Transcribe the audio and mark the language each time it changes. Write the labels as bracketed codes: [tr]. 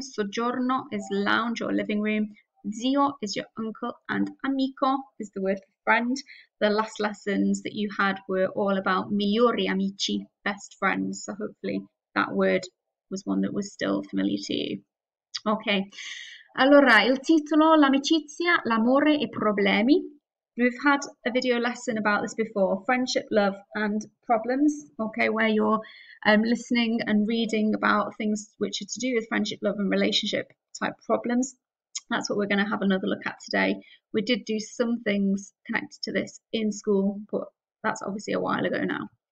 [en] Soggiorno is lounge or living room. Zio is your uncle, and amico is the word for friend. The last lessons that you had were all about [it] migliori amici, [en] best friends. So hopefully that word was one that was still familiar to you. [it] Okay, allora il titolo, l'amicizia, l'amore e problemi. [en] We've had a video lesson about this before, friendship, love, and problems. Okay, where you're listening and reading about things which are to do with friendship, love, and relationship type problems. That's what we're going to have another look at today. We did do some things connected to this in school, but that's obviously a while ago now.